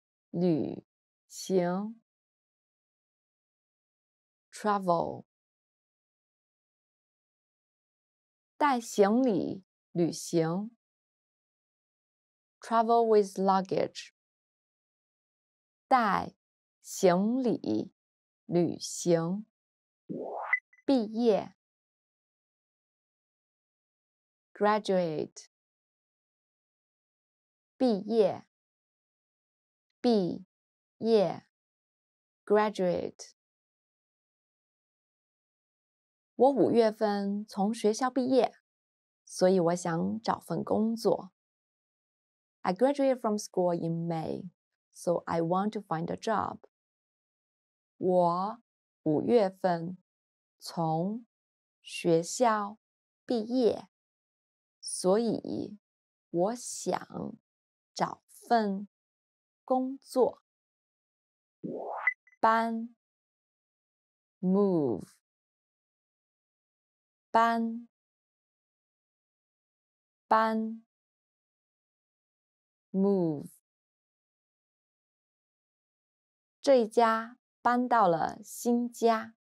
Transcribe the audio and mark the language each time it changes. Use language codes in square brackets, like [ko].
[zh] 旅行 ，travel， 带行李旅行 ， [en] travel with luggage， [zh] 带行李旅行，毕业 ，graduate， 毕业。毕业 graduate。我五月份从学校毕业，所以我想找份工作。 [en] I graduated from school in May, so I want to find a job. [zh] 我五月份从学校毕业，所以我想找份。工作搬 move 搬搬 move 这一家搬到了新家